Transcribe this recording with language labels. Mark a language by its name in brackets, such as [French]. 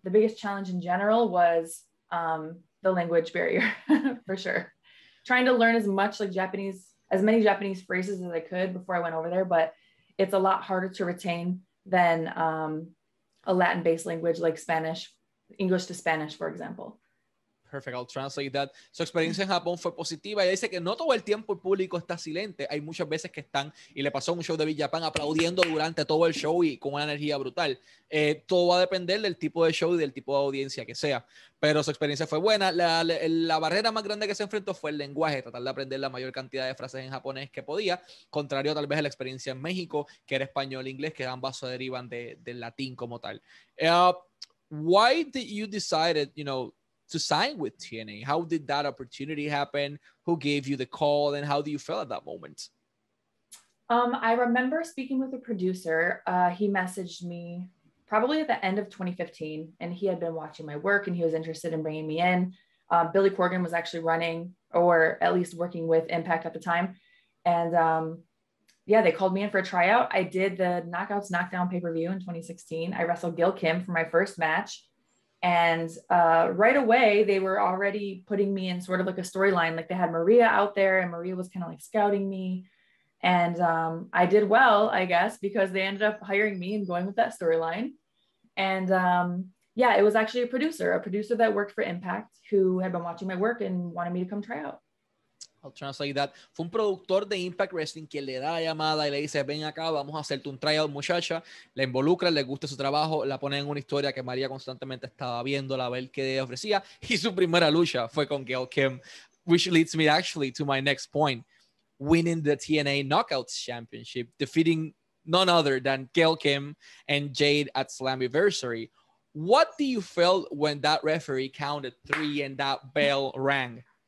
[English] The biggest challenge in general was the language barrier, for sure. Trying to learn as much like Japanese, as many Japanese phrases as I could before I went over there, but it's a lot harder to retain than a Latin-based language like Spanish, English to Spanish, for example. Perfect, I'll translate that. [Spanish] Su experiencia en Japón fue positiva. Ella dice que no todo el tiempo el público está silente. Hay muchas veces que están, y le pasó un show de Big Japan, aplaudiendo durante todo el show y con una energía brutal. Todo va a depender del tipo de show y del tipo de audiencia que sea. Pero su experiencia fue buena. La barrera más grande que se enfrentó fue el lenguaje, tratar de aprender la mayor cantidad de frases en japonés que podía, contrario tal vez a la experiencia en México, que era español e inglés, que ambas se derivan del latín como tal. [English] Why did you decide, you know, to sign with TNA? How did that opportunity happen? Who gave you the call? And how do you feel at that moment? I remember speaking with a producer. He messaged me probably at the end of 2015, and he had been watching my work and he was interested in bringing me in. Billy Corgan was actually running, or at least working with Impact at the time. And they called me in for a tryout. I did the Knockouts Knockdown pay-per-view in 2016. I wrestled Gil Kim for my first match. And right away, they were already putting me in sort of like a storyline. Like, they had Maria out there and Maria was kind of like scouting me. And I did well, I guess, because they ended up hiring me and going with that storyline. And it was actually a producer that worked for Impact, who had been watching my work and wanted me to come try out. I'll translate that. Fue un productor de Impact Wrestling quien le da la llamada y le dice, ven acá, vamos a hacerte un tryout, muchacha. La involucra, le gusta su trabajo, la pone en una historia que María constantemente estaba viendo, a ver qué ofrecía. [Spanish] Y su primera lucha fue con Gail Kim, [English] which leads me actually to my next point. Winning the TNA Knockouts Championship, defeating none other than Gail Kim and Jade at Slammiversary. What do you feel when that referee counted three and that bell rang?